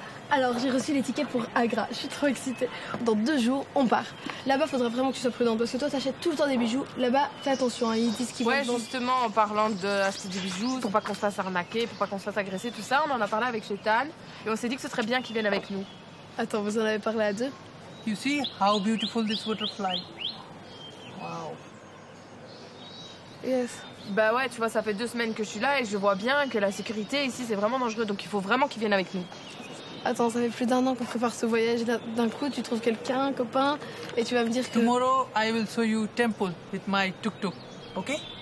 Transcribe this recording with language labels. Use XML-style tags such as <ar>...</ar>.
<fr>Alors, j'ai reçu les tickets pour Agra. Je suis trop excitée. Dans 2 jours, on part. Là-bas, faudra vraiment que tu sois prudente parce que toi, t'achètes tout le temps des bijoux. Là-bas, fais attention, hein. Ils disent qu'ils vont. Ouais, justement, en parlant d'acheter des bijoux, pour pas qu'on se fasse arnaquer, pour pas qu'on se fasse agresser, tout ça, on en a parlé avec Chetan et on s'est dit que ce serait bien qu'ils viennent avec nous. Attends, vous en avez parlé à deux?</fr> <en>You see how beautiful this butterfly. Wow. Yes.</en> <fr>Bah ouais, tu vois, ça fait 2 semaines que je suis là et je vois bien que la sécurité ici, c'est vraiment dangereux. Donc il faut vraiment qu'ils viennent avec nous. Attends, ça fait plus d'un an qu'on prépare ce voyage. D'un coup, tu trouves quelqu'un, un copain, et tu vas me dire que...</fr> <en>Tomorrow, I will show you temple with my tuk-tuk. Okay?</en>